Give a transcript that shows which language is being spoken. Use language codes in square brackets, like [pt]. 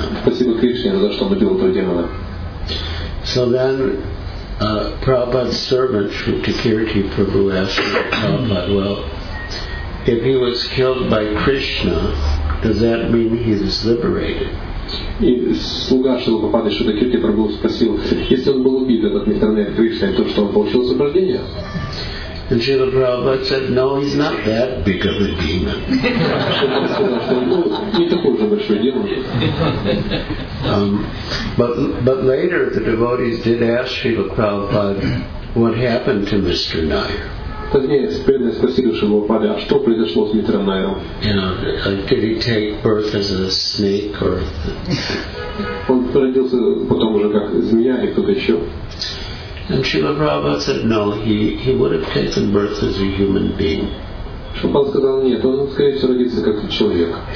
[ru] Спасибо Кришне за то, что убил этого демона. [en] So then, Prabhupada's servant Shruti Kirti Prabhu asked Prabhupada, "Well, if he was killed by Krishna, does that mean he is liberated?" [ru] И слуга Шрилы Прабхупады Шрилы Кирти Прабху спросил, если он был убит, этот мистер Кришна, то что он получил освобождение? [en] И Шрила Прабхупада said, no, he's not that big of a demon. [ru] Шрила сказал, что он не такой же большой демон. [en] But later the devotees did ask Шрила Прабхупада what happened to Mr. Nair. [ru] Позднее преданные спросили Шрилу Прабхупаду, а что произошло с мистером Найром? [en] Did he take birth as a snake or? [ru] Он родился потом уже как змея или кто-то еще? [en] And Шрила Прабхупада said, no, he would have taken birth as a human being. [ru] Шрила сказал, нет, он скорее всего родился как человек.